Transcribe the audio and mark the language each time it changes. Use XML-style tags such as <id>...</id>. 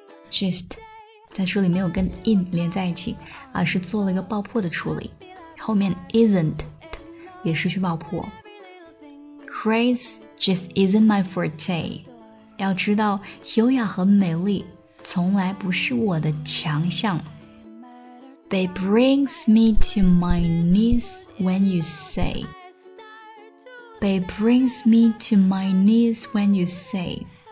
<zh>Just 在书里没有跟 in 连在一起，而是做了一个爆破的处理。后面 isn't 也失去爆破。</zh> <en>Grace just isn't my forte.</en> <zh>要知道，优雅和美丽从来不是我的强项。</zh> <en>They brings me to my knees when you say. They brings me to my knees when you say.</en>